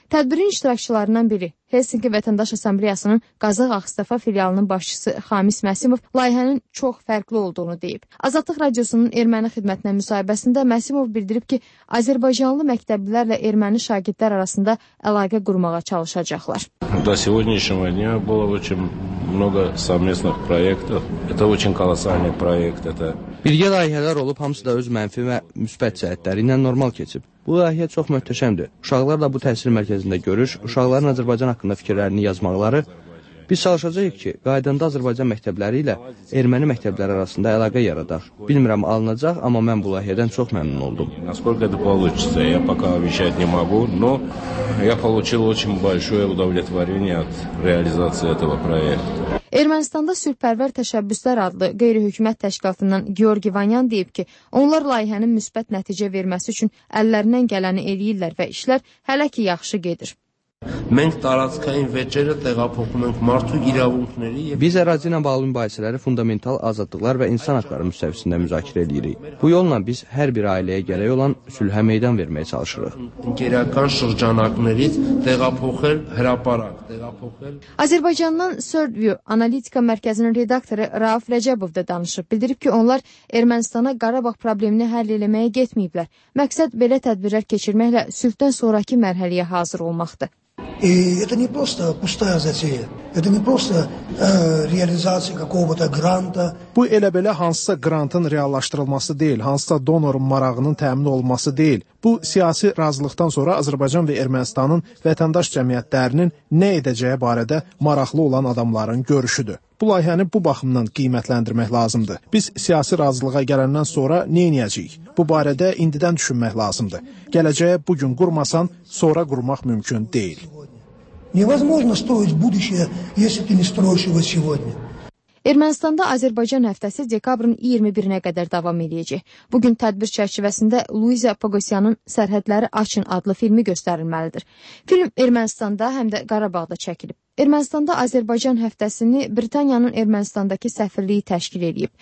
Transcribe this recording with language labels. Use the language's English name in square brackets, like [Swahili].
[Azerbaijani] Tədbirin iştirakçılarından biri Helsinki Vətəndaş Assambleyasının Qazaq Axstafa filialının başçısı Xamis Məsimov layihənin çox fərqli olduğunu deyib. Azadlıq Radiosunun erməni xidmətinə müsahibəsində Məsimov bildirib ki, Azərbaycanlı məktəblilərlə erməni şagirdlər arasında əlaqə qurmağa çalışacaqlar. [Russian] До сегодняшнего дня было очень много совместных проектов. Это очень колоссальный проект. [Azerbaijani] Birgə layihələr olub, hamısı da öz mənfi və müsbət cəhətləri ilə normal keçib. Bu layihə çox möhtəşəmdir. Uşaqlarla bu təhsil mərkəzində görüş, uşaqların Azərbaycan haqqında fikirlərini yazmaqları. Biz çalışacağıq ki, qaydanda Azərbaycan məktəbləri ilə erməni məktəbləri arasında əlaqə yaradaq. Bilmirəm, alınacaq, amma mən bu layihədən çox məmnun oldum. [Russian] Насколько это получится, я пока обещать не могу, но я получил очень большое удовлетворение от реализации этого проекта. [Azerbaijani] Ermənistanda Sülhpərvər Təşəbbüslər adlı qeyri-hökumət təşkilatından Georgi Vanyan deyib ki, onlar layihənin müsbət nəticə verməsi üçün əllərindən gələni eləyirlər və işlər hələ ki yaxşı gedir. [Armenian] Մենք տարածքային վեճերը տեղափոխում ենք մարդու իրավունքների [Azerbaijani] եւ Biz ərazinə bağlı mübahisələri fundamental azadlıqlar və insan hüquqları müstəvisində müzakirə edirik. Bu yolla biz hər bir ailəyə gərək olan sülhə meydan verməyə çalışırıq. Ənkərakan şırjanaqlərindən tərəfəxəl hərəparaq, tərəfəxəl Azərbaycandan Third View analitika mərkəzinin redaktoru Rauf Rəcəbov da danışıb. Bildirib ki, onlar Ermənistana Qarabağ problemini həll etməyə getməyiblər. Məqsəd belə tədbirlər keçirməklə sülhdən sonrakı mərhələyə hazır olmaqdır. [Russian] И это не просто пустая затея. Это не просто реализация какого-то гранта. [Azerbaijani] Bu elə-belə hansısa qrantın reallaşdırılması deyil, hansısa donor marağının təmin olunması deyil. Bu siyasi razılıqdan sonra Azərbaycan və Ermənistanın vətəndaş cəmiyyətlərinin nə edəcəyi barədə maraqlı olan adamların görüşüdür. Bu layihəni bu baxımdan qiymətləndirmək lazımdır. Biz siyasi razılığa gələndən sonra nə edəcəyik? Bu barədə indidən düşünmək lazımdır. Gələcəyə bu gün qurmasan, sonra qurmaq mümkün deyil. [Russian] Невозможно строить будущее, если ты не строишь его сегодня. [Azerbaijani] Ermənistanda Azərbaycan həftəsi dekabrın 21-nə qədər davam edəcək. Bu gün tədbir çərçivəsində Luiza Pogosyanın Sərhədləri Açın adlı filmi göstərilməlidir. Film Ermənistanda həm də Qarabağda çəkilib. Ermənistanda Azərbaycan həftəsini Britaniyanın Ermənistandakı səfirliyi təşkil edib.